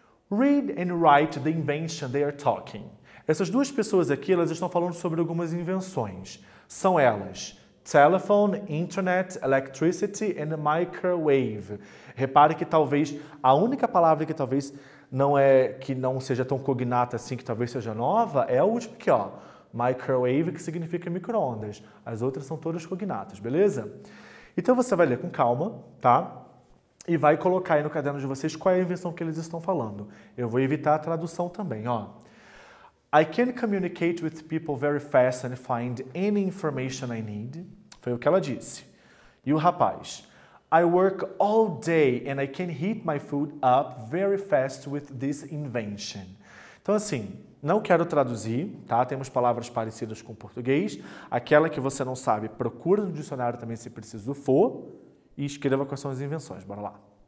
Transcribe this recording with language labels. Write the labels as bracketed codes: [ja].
[en] Read and write the invention they are talking. [pt] Essas duas pessoas aqui, elas estão falando sobre algumas invenções. São elas. [en] Telephone, internet, electricity and microwave. [pt] Repare que talvez a única palavra que talvez não é, que não seja tão cognata assim, que talvez seja nova, é a última aqui, ó. Microwave, que significa micro-ondas. As outras são todas cognatas, beleza? Então você vai ler com calma, tá? E vai colocar aí no caderno de vocês qual é a invenção que eles estão falando. Eu vou evitar a tradução também, ó. [en] I can communicate with people very fast and find any information I need. [pt] Foi o que ela disse. E o rapaz. [en] I work all day and I can heat my food up very fast with this invention. [pt] Então assim, não quero traduzir, tá? Temos palavras parecidas com português. Aquela que você não sabe, procura no dicionário também se preciso for. E escreva quais são as invenções. Bora lá.